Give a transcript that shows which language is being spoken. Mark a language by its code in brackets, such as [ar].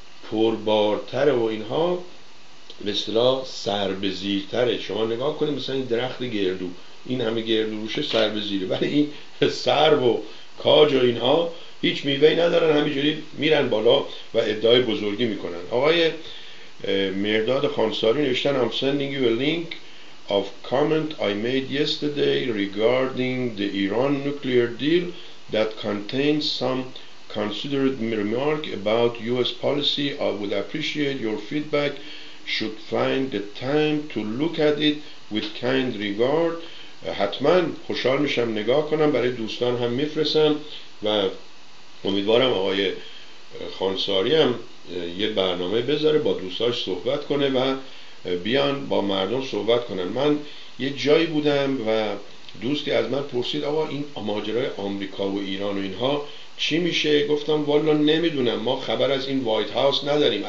[fa] پربارتره و اینها به اصطلاح سربزیرتره. شما نگاه کنید مثلا این درخت گردو، این همه گردو روشه سربزیره، ولی این سرب و کاج و اینها هیچ میوه‌ای ندارن، همینجوری میرن بالا و ادعای بزرگی میکنن. آقای مرداد خانساری نوشتن: [en] I'm sending you a link of comment I made yesterday regarding the Iran nuclear deal that contains some considered remark about US policy. I would appreciate your feedback. Should find the time to look at it with kind regard. [fa] حتما خوشحال میشم نگاه کنم، برای دوستان هم میفرستم و امیدوارم آقای خانساری هم یه برنامه بذاره با دوستاش صحبت کنه و بیان با مردم صحبت کنن. من یه جایی بودم و دوستی از من پرسید آقا این ماجرای آمریکا و ایران و اینها چی میشه؟ گفتم والا نمیدونم، ما خبر از این وایت هاوس نداریم.